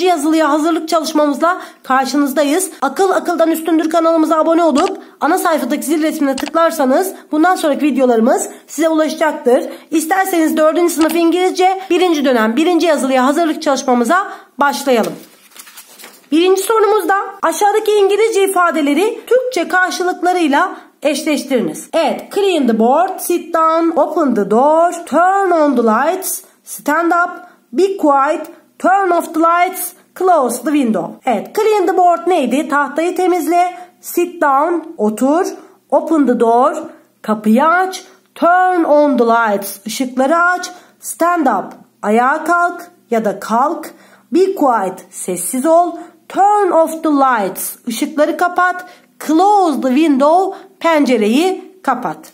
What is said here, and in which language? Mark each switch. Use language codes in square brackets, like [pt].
[tr] yazılıya hazırlık çalışmamızla karşınızdayız. Akıl Akıldan Üstündür kanalımıza abone olup ana sayfadaki zil resmine tıklarsanız bundan sonraki videolarımız size ulaşacaktır. İsterseniz 4. sınıf İngilizce 1. dönem 1. yazılıya hazırlık çalışmamıza başlayalım. 1. sorumuzda aşağıdaki İngilizce ifadeleri Türkçe karşılıklarıyla eşleştiriniz. Evet, [en] clean the board, sit down, open the door, turn on the lights, stand up, be quiet, turn off the lights, close the window. [tr] Evet, [en] clean the board [tr] neydi? Tahtayı temizle, [en] sit down, [tr] otur, [en] open the door, [tr] kapıyı aç, [en] turn on the lights, [tr] ışıkları aç, [en] stand up, [tr] ayağa kalk ya da kalk, [en] be quiet, [tr] sessiz ol, [en] turn off the lights, [tr] ışıkları kapat, [en] close the window, [tr] pencereyi kapat.